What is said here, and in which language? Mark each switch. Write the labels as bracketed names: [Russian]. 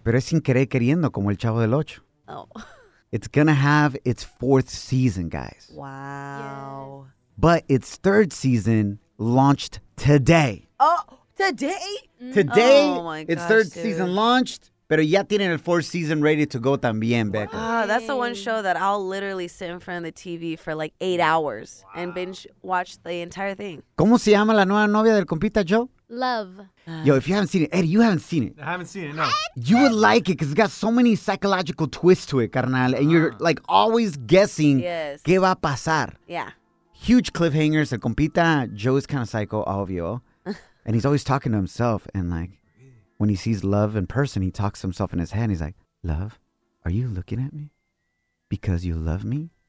[Spanish] Pero es sin querer queriendo, como el Chavo del Ocho. Oh. [English] It's going to have its fourth season, guys. Wow. Yes. But its third season launched today. Oh, today? Today, oh my gosh, its third dude. Season launched. [Spanish] Pero ya tienen el [English] fourth season ready to go [Spanish] también, Becca. [English] Wow, that's the one show that I'll literally sit in front of the TV for like 8 hours and binge watch the entire thing. [Spanish] ¿Cómo se llama la nueva novia del compita Joe? [English] Love. Yo, if you haven't seen it, Eddie, you haven't seen it. I haven't seen it, no. You would like it because it's got so many psychological twists to it, carnal. And you're like always guessing, yes. [Spanish] ¿Qué va a pasar? [English] Yeah. Huge cliffhangers. [Spanish] El compita [English] Joe is kind of psycho, obvio. And he's always talking to himself and like, when he sees love in person, he talks to himself in his head. And he's like, love, are you looking at me because you love me?